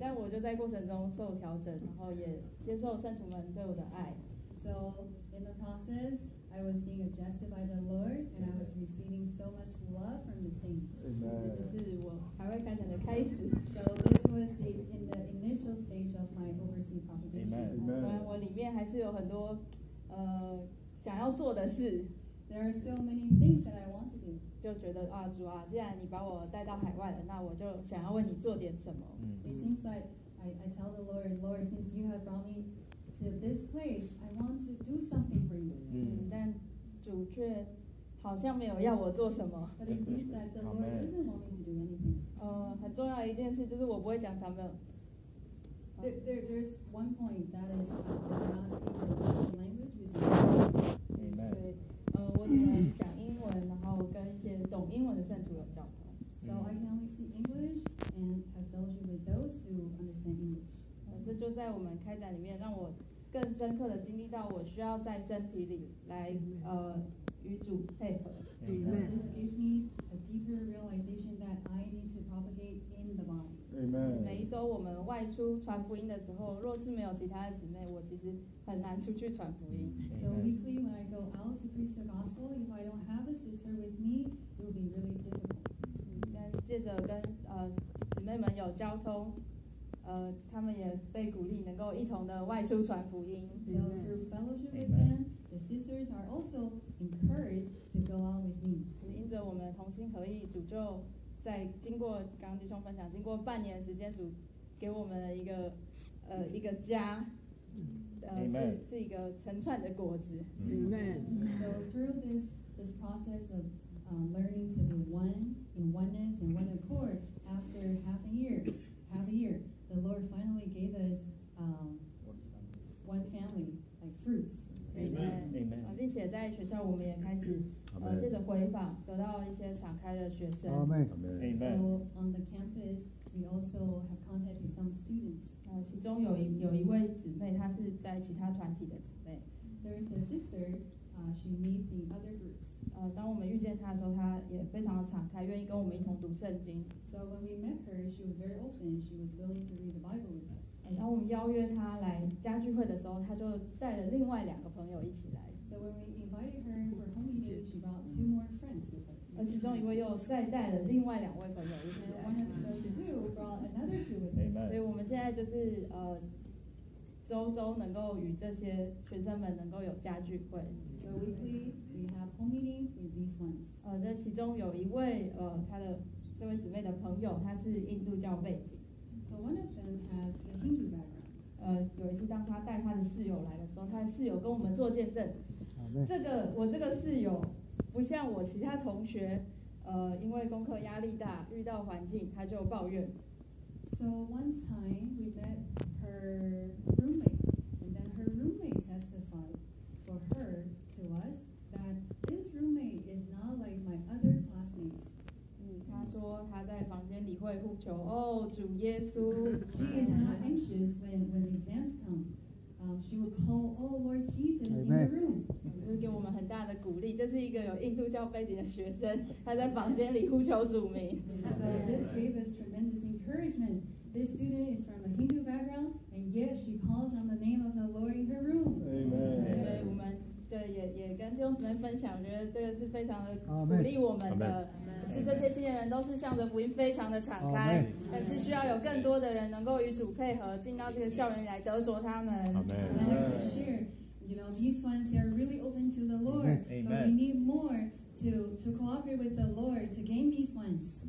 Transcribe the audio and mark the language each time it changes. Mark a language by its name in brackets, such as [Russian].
[Chinese] 就在过程中受调整，然后也接受圣徒们对我的爱。 [English] So in the process, I was being adjusted by the Lord, and I was receiving so much love from the saints. Amen. [Chinese] 这就是我海外开展的开始。 [English] So this was in the initial stage of my overseas propagation. Amen. [Chinese] 我里面还是有很多想要做的事。 [English] There are still many things that I want to do. [Chinese] 就觉得啊，主啊，既然你把我带到海外了，那我就想要为你做点什么。 [English] It seems like I tell the Lord, Lord, since you have brought me to this place, I want to do something for you. [Chinese] 但主却好像没有要我做什么。 [English] But it seems that the Lord doesn't want me to do anything. [Chinese] 很重要一件事就是我不会讲他们。 [English] There's one point that is I'm not speaking the language, which is. Amen. [Chinese] 我只能讲英文，然后跟一些懂英文的圣徒有交通。 [English] So I can only speak English and have fellowship with those who understand English. [Chinese] 这就在我们开展里面，让我更深刻的经历到我需要在身体里来与主配合。 [English] Amen. So this gave me a deeper realization that I need to propagate in the body. Amen. [Chinese] 每一周我们外出传福音的时候，若是没有其他的姊妹，我其实很难出去传福音。 [English] So weekly when I go out to preach the gospel, if I don't have a sister with me, it will be really difficult. [Chinese] 借着跟姊妹们有交通，他们也被鼓励能够一同的外出传福音。 [English] So through fellowship with them, the sisters are also encouraged to go out with me. [Chinese] 因着我们同心合意，主就在经过刚刚弟兄分享，经过半年时间，主给我们了一个家，是一个成串的果子。 [English] Amen. So through this process of learning to be one in oneness and one accord, after half a year, the Lord finally gave us one family, like fruits. Amen. [Chinese] 并且在学校我们也开始借着回访得到一些敞开的学生。 [English] Amen. So on the campus, we also have contacted some students. [Chinese] 其中有一位姊妹，她是在其他团体的姊妹。 [English] There's a sister, she meets in other groups. [Chinese] 当我们遇见他的时候，他也非常的敞开，愿意跟我们一同读圣经。 [English] So when we met her, she was very open. She was willing to read the Bible with us. [Chinese] 当我们邀约他来家聚会的时候，他就带了另外两个朋友一起来。 [English] So when we invited her for home meeting, she brought two more friends with her. [Chinese] 而其中一位又再带了另外两位朋友一起来。 [English] One of the two brought another two with her. Amen. [Chinese] 所以我们现在就是周周能够与这些学生们能够有家聚会。 [English] So weekly we have home meetings with these ones. [Chinese] 这其中有一位他的这位姊妹的朋友，他是印度教背景。 [English] So one of them has a Hindu background. [Chinese] 有一次当他带他的室友来的时候，他的室友跟我们做见证。 [English] Amen. [Chinese] 我这个室友不像我其他同学，因为功课压力大，遇到环境他就抱怨。 [English] So one time we met her roommate, and then her roommate testified for her to us that this roommate is not like my other classmates. [Chinese] 她说她在房间里会呼求哦，主耶稣。 [English] She is not anxious when exams come. She will call, oh Lord Jesus, in the room. [Chinese] 就给我们很大的鼓励。这是一个有印度教背景的学生，他在房间里呼求主名。 [English] So this gave us tremendous encouragement. This student is from a Hindu background, and yet she calls on the name of the Lord in her room. Amen. 所以我们也跟弟兄姊妹分享，我觉得这个是非常的鼓励我们的。 Amen. 是这些青年人都是向着福音非常的敞开，但是需要有更多的人能够与主配合，进到这个校园来得着他们。 Amen. Amen. You know, these ones, they are really open to the Lord. Amen. But we need more to cooperate with the Lord to gain these ones.